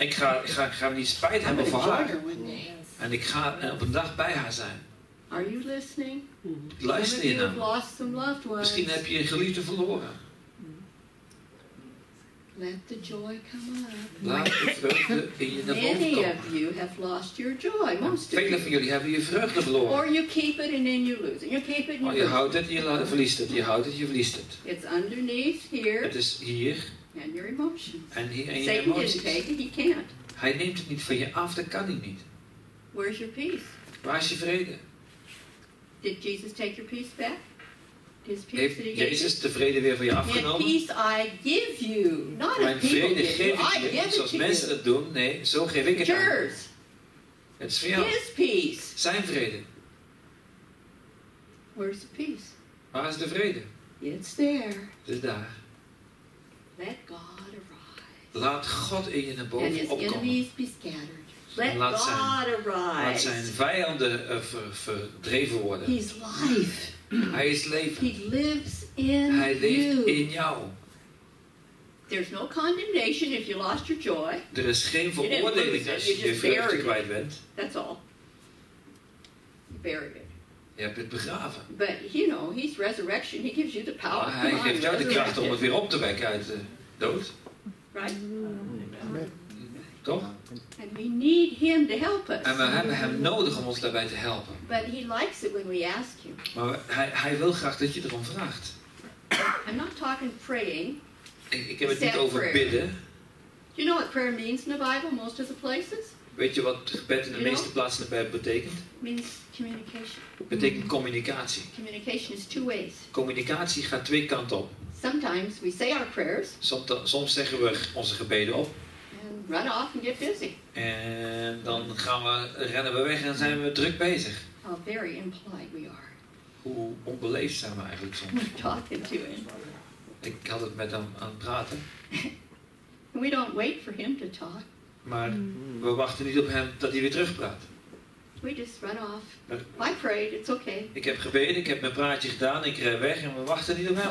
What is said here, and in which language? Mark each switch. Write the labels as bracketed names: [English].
[Dutch] Ik ga niet spijt hebben voor haar. [English] Yes. [Dutch] En ik ga op een dag bij haar zijn. [English] Are you listening? [Dutch] Luister je nou? [English] Lost some loved ones. [Dutch] Misschien heb je een geliefde verloren. [English] Let the joy come up. [Dutch] Laat de vreugde in je naar boven komen. [English] Many of you have lost your joy. Most of you. [Dutch] Vele van jullie hebben je vreugde verloren. [English] Or you keep it and then you lose it. You keep it and you lose it. [Dutch] Je houdt het en je verliest het. Je houdt het en je verliest het. [English] It's underneath here. [Dutch] Het is hier. [English] And your emotions. [Dutch] En Satan je emoties. [English] Didn't take it. He can't. [Dutch] Hij neemt het niet van je af. Dat kan hij niet. [English] Where's your peace? [Dutch] Waar is je vrede? [English] Did Jesus take your peace back? [Dutch] Heeft Jezus de vrede weer van je afgenomen? [English] Peace I give you, not [Dutch] mijn vrede geef [English] you. [Dutch] Ik je, zoals mensen dat doen. Nee, zo geef ik het [English] yours. [Dutch] Aan. Het is van jou. [English] His peace. [Dutch] Zijn vrede. [English] Where's the peace? [Dutch] Waar is de vrede? [English] It's there. [Dutch] Het is daar. [English] Let God arise. [Dutch] Laat God in je naar boven [English] and [Dutch] opkomen. [English] And his enemies be scattered. Let God arise. [Dutch] Laat zijn vijanden verdreven worden. [English] He's life. [Dutch] Hij is leven. [English] He lives in [Dutch] Hij leeft [English] you. [Dutch] In jou. [English] There's no condemnation if you lost your joy. [Dutch] Er is geen veroordeling als je vreugde kwijt bent. [English] That's all. Buried it. [Dutch] Je hebt het begraven. [English] But you know, he's resurrection. He gives you the power. [Dutch] Maar hij geeft jou de kracht om het weer op te wekken uit de dood. [English] Right. [Dutch] Toch? [English] And we need him to help us. [Dutch] En we hebben hem nodig om ons daarbij te helpen. [English] But he likes it when we ask him. [Dutch] Maar hij wil graag dat je erom vraagt. [English] I'm not talking praying. [Dutch] Ik heb het niet over [English] prayer. [Dutch] Bidden. [English] Do you know what prayer means in the Bible, most of the places? [Dutch] Weet je wat gebed in de meeste plaatsen erbij betekent? [English] Means communication. [Dutch] Betekent communicatie. [English] Communication is two ways. [Dutch] Communicatie gaat twee kanten op. [English] Sometimes we say our prayers. [Dutch] Soms zeggen we onze gebeden op. [English] Run off and get busy. [Dutch] En dan rennen we weg en zijn we druk bezig. [English] How very impolite we are. [Dutch] Hoe onbeleefd zijn we eigenlijk soms. [English] We're talking to him. [Dutch] Ik had het met hem aan het praten. [English] We don't wait for him to talk. [Dutch] Maar we wachten niet op hem dat hij weer terugpraat. [English] We just run off. I prayed, it's okay. [Dutch] Ik heb gebeden, ik heb mijn praatje gedaan, ik ren weg en we wachten niet op hem.